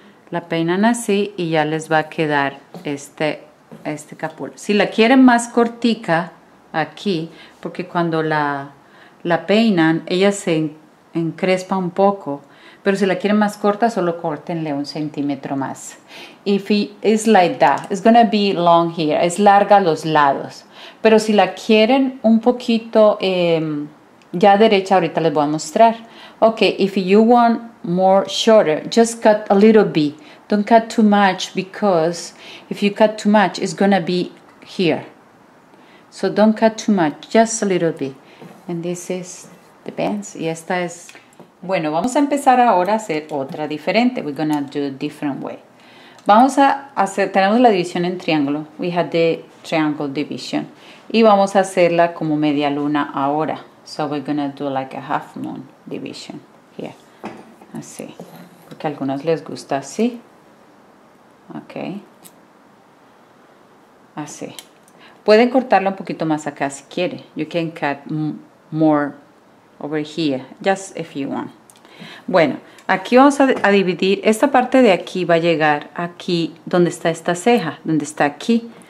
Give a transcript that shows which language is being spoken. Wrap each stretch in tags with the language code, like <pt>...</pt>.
<es>La peinan así y ya les va a quedar este capul. Si la quieren más cortica aquí, porque cuando la peinan, ella se encrespa un poco. Pero si la quieren más corta, solo córtenle 1 centímetro más.</es> <en>If it's like that, it's gonna be long here.</en> <es>Es larga a los lados. Pero si la quieren un poquito ya derecha, ahorita les voy a mostrar.</es> <en>Ok, if you want more shorter, just cut a little bit. Don't cut too much because if you cut too much, it's gonna be here. So don't cut too much, just a little bit. And this is the bands.</en> <es>Y esta es... Bueno, vamos a empezar ahora a hacer otra diferente.</es> <en>We're gonna do a different way.</en> <es>Vamos a hacer, tenemos la división en triángulo.</es> <en>We had the triangle division.</en> <es>Y vamos a hacerla como media luna ahora.</es> <en>So we're gonna do like a half moon division here.</en> <es>Así. Porque a algunos les gusta así. Ok. Así. Pueden cortarla un poquito más acá si quieren.</es> <en>You can cut more over here, just if you want.</en> <es>Bueno, aquí vamos a dividir, esta parte de aquí va a llegar aquí donde está esta ceja, donde está aquí.</es>